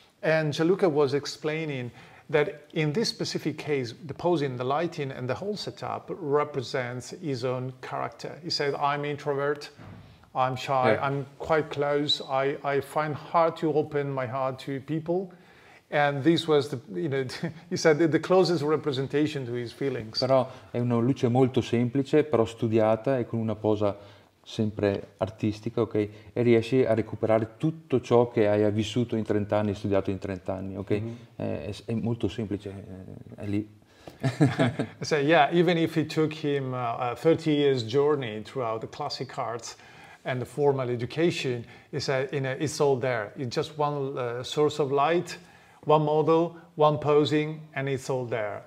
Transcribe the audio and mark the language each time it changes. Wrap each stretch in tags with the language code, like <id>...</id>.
<en>And Gianluca was explaining that in this specific case, the posing, the lighting, and the whole setup represents his own character. He said, I'm introvert, I'm shy, yeah. I'm quite close, I find hard to open my heart to people. And this was the closest representation to his feelings.</en> <it>Però è una luce molto semplice, però studiata e con una posa sempre artistica, ok? E riesci a recuperare tutto ciò che hai vissuto in 30 anni, studiato in 30 anni, ok? Mm-hmm. È molto semplice, è lì.</it> <en>So, yeah, even if it took him a 30 years journey throughout the classic arts and the formal education, it's all there. It's just one source of light, one model, one posing, and it's all there.</en>